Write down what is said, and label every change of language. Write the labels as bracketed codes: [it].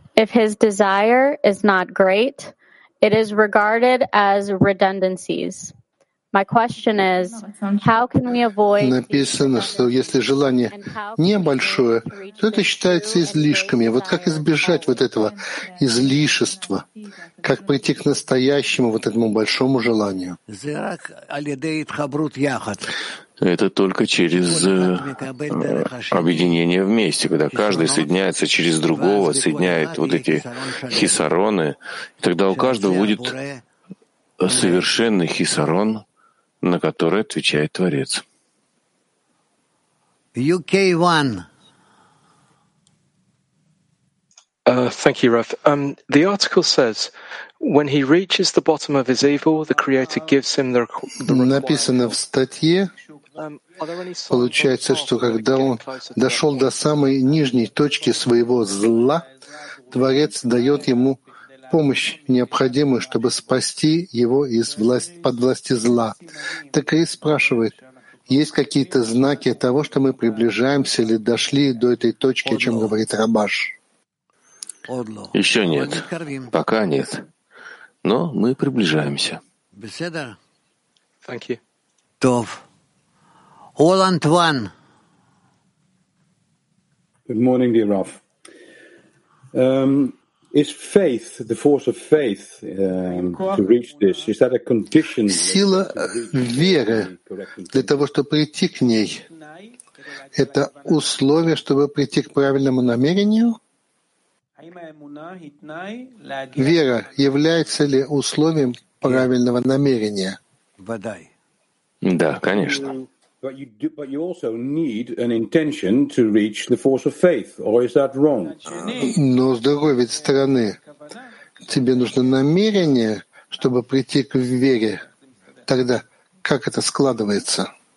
[en] If his desire is not great, it is regarded as redundancies. My question is, how can we avoid... [ru] Написано, что если желание небольшое, то это считается излишками. Вот как избежать вот этого излишества? Как прийти к настоящему, вот этому большому желанию? Это только через объединение вместе, когда каждый соединяется через другого, соединяет вот эти хисароны, тогда у каждого будет совершенный хисарон, на который отвечает Творец. UK [en] One. Thank you, Rav. The article says, when he reaches the bottom of his evil, the Creator gives him the requirement. [ru] Написано в статье. Получается, что когда он дошел до самой нижней точки своего зла, Творец дает ему помощь, необходимую, чтобы спасти его из власти, под власти зла. Так и спрашивает, есть какие-то знаки того, что мы приближаемся или дошли до этой точки, о чем говорит Рабаш? Еще нет. Пока нет. Но мы приближаемся. [en] Thank you. Тов. Оланд Ван. Good morning, dear Raf. Is faith, the force of faith, to reach this, is that a condition? [ru] Сила веры для того, чтобы прийти к ней, это условие, чтобы прийти к правильному намерению? Вера является ли условием правильного намерения? [he] Вадай. [ru] Да, конечно. [en] But you do, but you also need an intention to reach the force of faith, or is that wrong? [ru] Но с другой ведь стороны, тебе нужно намерение, чтобы прийти к вере. Тогда как это складывается?